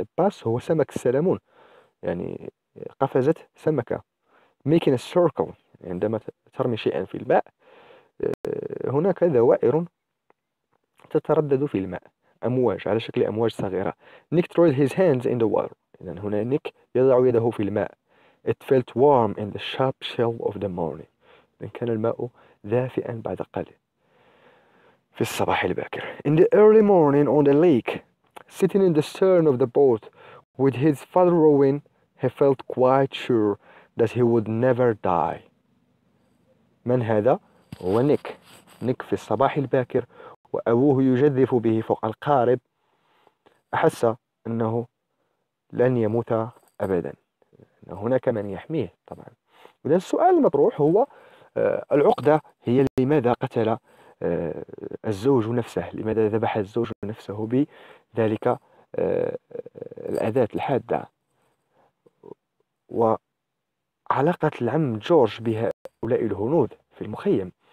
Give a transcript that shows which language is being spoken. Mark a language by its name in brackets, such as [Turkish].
[Arabic] A bass هو سمك السلمون، يعني قفزت سمكة. [English] Making a circle، [Arabic] عندما ترمي شيئا في الماء هناك دوائر تتردد في الماء، أمواج على شكل أمواج صغيرة. [English] Nick threw his hands in the water. [Arabic] إذن هنا نيك يضع يده في الماء. [English] It felt warm in the sharp shell of the morning. [Arabic] إذن كان الماء دافئا بعد قليل في الصباح الباكر. [English] In the early morning on the lake, sitting in the stern of the boat with his father rowing, he felt quite sure that he would never die. [Arabic] من هذا؟ هو نيك. نيك في الصباح الباكر وأبوه يجذف به فوق القارب، أحس أنه لن يموت أبدا. هناك من يحميه طبعا. إذا السؤال المطروح هو العقدة هي لماذا قتل الزوج نفسه، لماذا ذبح الزوج نفسه بذلك الأداة الحادة، وعلاقة العم جورج بهؤلاء الهنود في المخيم.